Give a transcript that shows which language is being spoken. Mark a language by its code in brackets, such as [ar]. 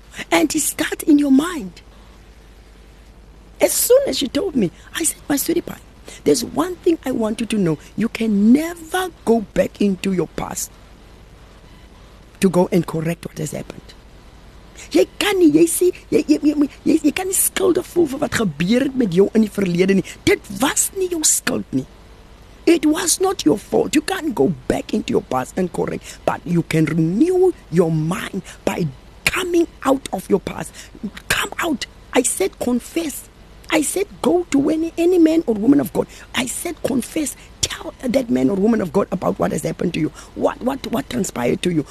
[en] And he starts in your mind. As soon as she told me, I said, "My sweetie pie, there's one thing I want you to know. You can never go back into your past to go and correct what has happened. [af] Jy kan nie, jy sê, jy kan nie skuldig voel vir wat gebeur het met jou in die verlede nie. Dit was nie jou skuld nie. [en] It was not your fault. You can't go back into your past and correct. But you can renew your mind by coming out of your past. Come out. I said confess. I said go to any man or woman of God. I said confess. Tell that man or woman of God about what has happened to you. What transpired to you.